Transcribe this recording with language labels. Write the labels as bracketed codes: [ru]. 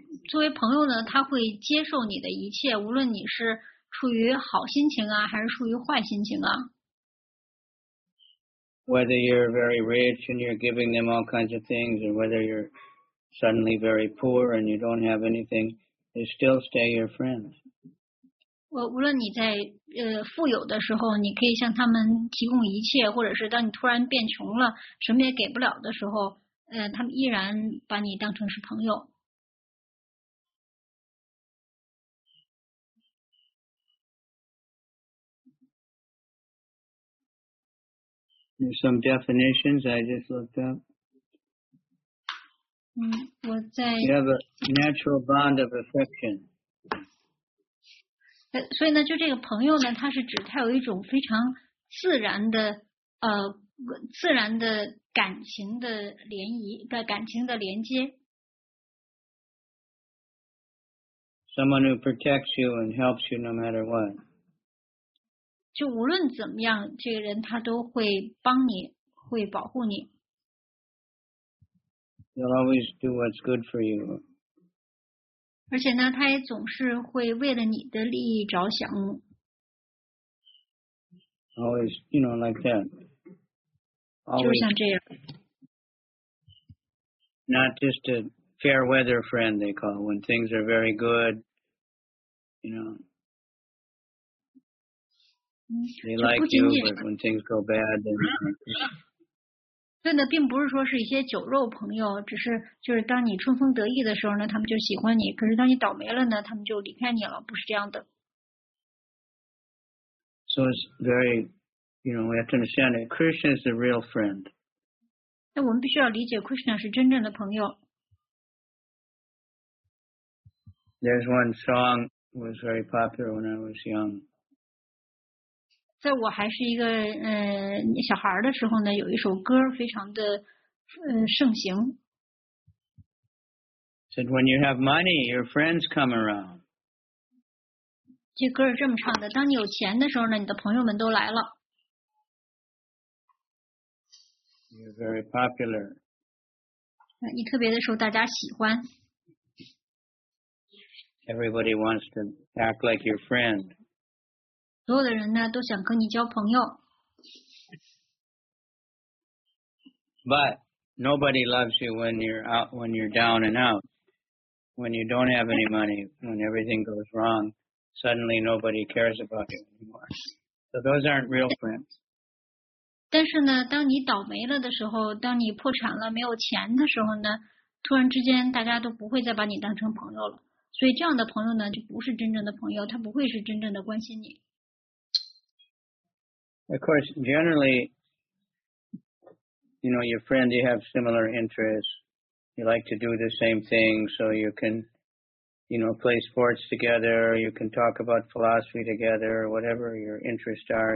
[zh] 作为朋友呢，他会接受你的一切，无论你是处于好心情啊，还是处于坏心情啊。 [en] Whether you're very rich and you're giving them all kinds of things, or whether you're suddenly very poor and you don't have anything, they still stay your friends. [zh] 无论你在富有的时候，你可以向他们提供一切，或者是当你突然变穷了，什么也给不了的时候，他们依然把你当成是朋友。 [en] There's some definitions I just looked up. You have a natural bond of affection. [zh] 所以呢，就这个朋友呢，他是指他有一种非常自然的自然的感情的联谊的感情的连接。 [en] Someone who protects you and helps you no matter what. [zh] 就无论怎么样，这个人他都会帮你，会保护你。 [en] He'll always do what's good for you. [zh] 而且呢，他也总是会为了你的利益着想。 [en] Always, you know, like that.、Always. [zh] 就是像这样。 [en] Not just a fair weather friend, they call it, when things are very good, you know. They like you, but when things go bad, then. [zh] 对的，并不是说是一些酒肉朋友，只是就是当你春风得意的时候呢，他们就喜欢你；可是当你倒霉了呢，他们就离开你了，不是这样的。 [en] So it's very, you know, we have to understand that Krishna is the real friend. [zh] 那我们必须要理解 ，Krishna 是真正的朋友。 [en] There's one song was very popular when I was young. [zh] 在我还是一个小孩的时候呢，有一首歌非常的盛行。 [en] Said when you have money, your friends come around. [zh] 这歌是这么唱的：当你有钱的时候呢，你的朋友们都来了。 [en] You're very popular. [zh] 你特别的时候，大家喜欢。 [en] Everybody wants to act like your friend. [zh] 所有的人呢都想跟你交朋友。 [en] But nobody loves you when you're out, when you're down and out. When you don't have any money, when everything goes wrong, suddenly nobody cares about you anymore. So those aren't real friends. [zh] 但是呢，当你倒霉了的时候，当你破产了，没有钱的时候呢，突然之间大家都不会再把你当成朋友了。所以这样的朋友呢，就不是真正的朋友，他不会是真正的关心你。 [en] Of course, generally, you know, your friend, you have similar interests. You like to do the same thing, so you can, you know, play sports together. You can talk about philosophy together, whatever your interests are.